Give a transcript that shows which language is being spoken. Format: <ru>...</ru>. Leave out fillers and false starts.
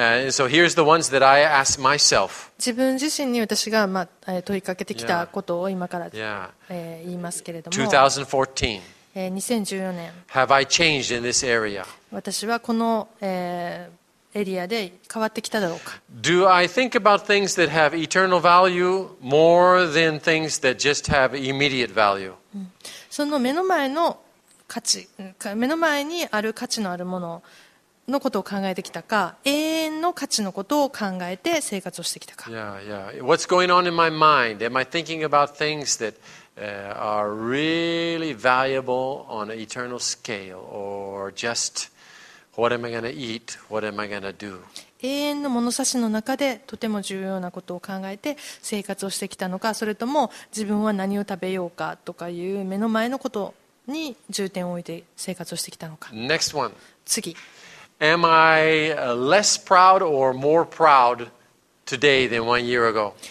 <en>So here's the ones that I ask myself.</en> <ja>自分自身に私が、まあ、問いかけてきたことを今から、言いますけれども。</ja> <en>2014</en> <ja>年。</ja> <en>Have I changed in this area?</en> <ja>私はこの、エリアで変わってきただろうか。</ja> <en>Do I think about things that have eternal value more than things that just have immediate value?</en> <ja>その目の前の価値、目の前にある価値のあるもののことを考えてきたか、永遠の価値のことを考えて生活をしてきたか。</ja> <en>Yeah, yeah. What's going on in my mind? Am I thinking about things that are really valuable on an eternal scale or just... What am I gonna eat? What am I gonna do?</en> <ja>永遠の物差しの中でとても重要なことを考えて生活をしてきたのか、それとも自分は何を食べようかとかいう目の前のことに重点を置いて生活をしてきたのか。</ja> <en>Next one.</en> <ja>次。</ja> <en>Am I less proud or more proud today than one year ago?</en>